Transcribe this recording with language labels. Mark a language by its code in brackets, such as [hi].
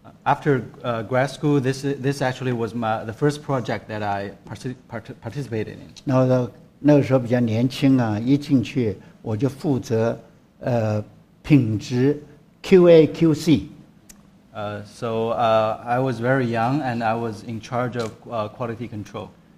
[en] After grad school, this actually was the first project that I participated in. [zh] 那个时候比较年轻啊，一进去我就负责品质 QA/QC。 [en] I was very young and I was in charge of quality control.